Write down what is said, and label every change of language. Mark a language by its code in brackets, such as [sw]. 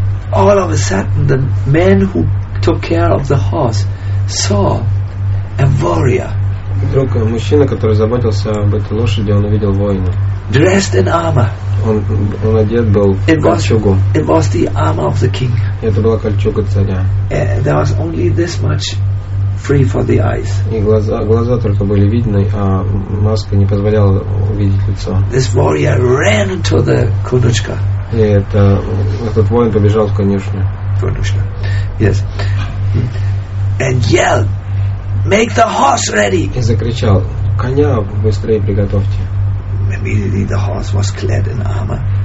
[en] All of a sudden, the man who took care of the horse saw a warrior. [ru] Вдруг мужчина, который заботился об этой лошади, он увидел воина. [en] Dressed in armor. [ru] Он одет был в кольчугу. [en] It was the armor of the king. [ru] Это была кольчуга царя. [en] There was only this much free for the eyes. [ru] И глаза только были видны, а маска не позволяла увидеть лицо. [en] This warrior ran to the konuchka. [ru] И этот воин побежал в конюшню. [en] Конюшня. Yes. And yelled, "Make the horse ready!" [ru] И закричал, "Коня быстрее приготовьте!" [en] Immediately the horse was clad in armor.